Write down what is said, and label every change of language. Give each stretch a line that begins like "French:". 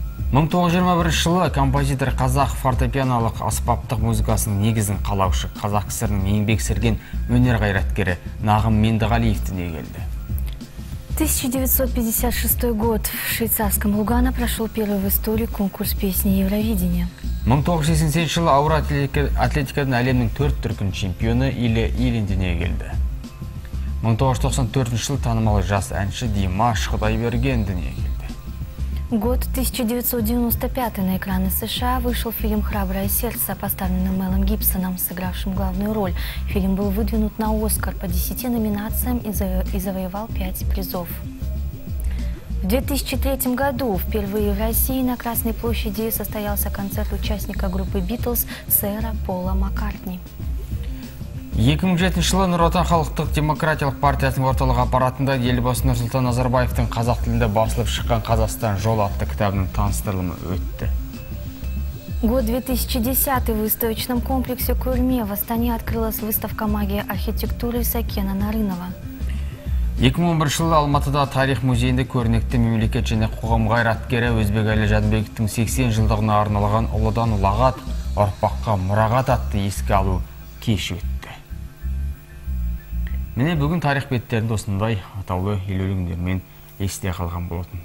Kazakh: Мың 1921 жылы композитор қазақ фортепианалық аспаптық музыкасының негізін қалаушы қазақ кісірінің еңбек сірген өнер қайраткері Нағым Мендіғалиев дүниеге келді.
Russian: 1956 год. В швейцарском Лугано прошел первый в истории конкурс песни Евровидения.
Kazakh: 1987 жылы ауыр атлетикадың әлемнің 4 дүркін чемпионы Илья Ильин дүниеге келді. 1994 жылы танымал жас әнші Димаш Құдайберген дүниеге келді.
Russian: Год 1995. На экраны США вышел фильм «Храброе сердце», поставленный Мелом Гибсоном, сыгравшим главную роль. Фильм был выдвинут на «Оскар» по 10 номинациям и завоевал 5 призов. В 2003 году впервые в России на Красной площади состоялся концерт участника группы «Битлз» сэра Пола Маккартни.
Kazakh: 2007 жылы Нұр Отан халықтық демократиялық партиясының орталық аппаратында елбасы Нұрсұлтан Назарбаевтың қазақ тілінде басылып шыққан «Қазақстан жол» атты кітабының таныстырылымы өтті.
Russian: Год 2010 в выставочном комплексе «Көрме» в Астане открылась выставка магии архитектуры Сакена Нарынова.
Kazakh: 2011 жылы Алматыда тарих музейінде көрнекті мемлекет және қоғам қайраткері Өзбекәлі Жәнібековтің 80 жылдығына арналған «Ұлыдан ұлағат, ұрпаққа мұрағат» атты еске алу кеші өтті. Міне бүгін тарих беттерінде осындай атаулы елеулі күндермен есте қалған болатын.